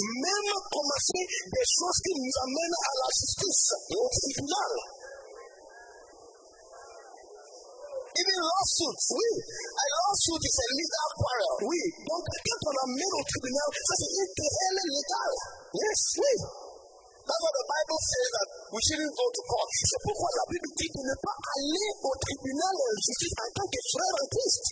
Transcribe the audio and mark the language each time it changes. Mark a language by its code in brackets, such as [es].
[fr] Même commencer des choses qui nous amènent à la justice et au tribunal. [en] Even lawsuits. [fr] Oui. [en] A lawsuit is a legal quarrel. [fr] Oui. Donc, quand on amène au tribunal, ça c'est une querelle légale. [en] Yes. [fr] Oui. [en] That's why the Bible says that we shouldn't go to court. [fr] C'est pourquoi la Bible dit de ne pas aller au tribunal de justice en tant que frère en Christ.